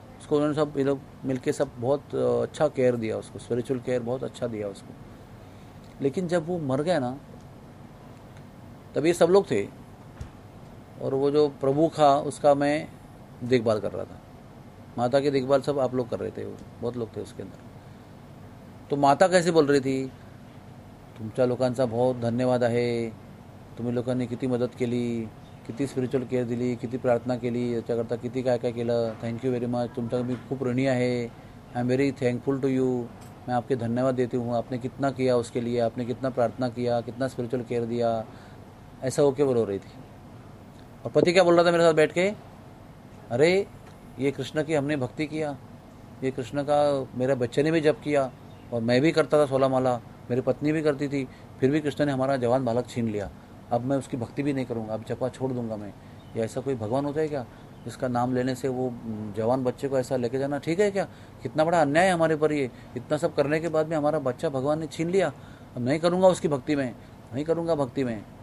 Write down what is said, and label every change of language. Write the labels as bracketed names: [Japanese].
[Hindi] उसको उन्होंने सब ये लोग मिलकर सब बहुत अच्छा केयर दिया उसको, स्पिरिचुअल केयर बहुत अच्छा दिया उसको, लेकिन जब वो मर गया ना, तब ये सब लोग थे और वो जो प्रभु था उसका मैं देखभाल कर रहा था, माता की देखभाल सब आप लोग कर रहे थे, वो बहुत लोग थे उसके अंदर। [Marathi] तो माता कैसे बोल रही थी, तुमच्या लोकांचा बहुत धन्यवाद आहे, तुम्ही लोकांनी किती मदत केली, किती स्पिरिच्युअल केअर दिली, किती प्रार्थना केली, याच्याकरता किती काय काय केलं, [English] thank you very much, [Marathi] तुमचा मी खूप ऋणी आहे, [English] I am very thankful to you, [Hindi] मैं आपके धन्यवाद देती हूँ, आपने कितना किया उसके लिए, आपने कितना प्रार्थना किया, कितना स्पिरिचुअल केयर दिया, ऐसा होके वो रो रही थी। और पति क्या बोल रहा था मेरे साथ बैठ के, अरे ये कृष्ण की हमने भक्ति किया, ये कृष्ण का मेरे बच्चे ने भी जप किया और मैं भी करता था 16 माला, मेरी पत्नी भी करती थी, फिर भी कृष्ण ने हमारा जवान बालक छीन लिया, अब मैं उसकी भक्ति भी नहीं करूँगा, अब जपा छोड़ दूंगा मैं, या ऐसा कोई भगवान होता है क्या जिसका नाम लेने से वो जवान बच्चे को ऐसा लेके जाना ठीक है क्या, कितना बड़ा अन्याय है हमारे ऊपर, ये इतना सब करने के बाद में हमारा बच्चा भगवान ने छीन लिया, अब नहीं करूँगा उसकी भक्ति में, नहीं करूँगा भक्ति में।